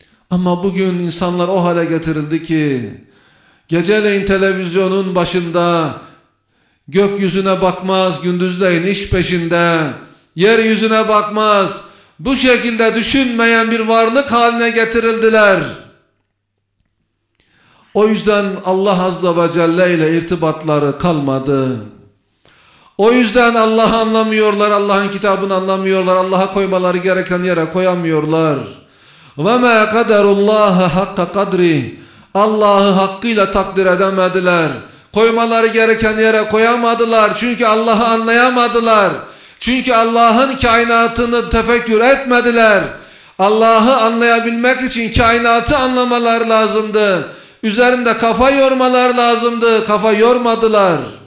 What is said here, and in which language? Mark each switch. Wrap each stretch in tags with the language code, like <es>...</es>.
<tr>Ama bugün insanlar o hale getirildi ki, geceleyin televizyonun başında gökyüzüne bakmaz, gündüzleyin iş peşinde, yeryüzüne bakmaz, bu şekilde düşünmeyen bir varlık haline getirildiler. O yüzden Allah Azze ve Celle ile irtibatları kalmadı. O yüzden Allah'ı anlamıyorlar, Allah'ın kitabını anlamıyorlar, Allah'a koymaları gereken yere koyamıyorlar.</tr> <ar>وَمَا قَدَرُ اللّٰهَ حَقَّ قَدْرِهِ</ar> <tr>Allah'ı hakkıyla takdir edemediler. Koymaları gereken yere koyamadılar. Çünkü Allah'ı anlayamadılar. Çünkü Allah'ın kainatını tefekkür etmediler. Allah'ı anlayabilmek için kainatı anlamaları lazımdı. Üzerinde kafa yormalar lazımdı. Kafa yormadılar.</tr>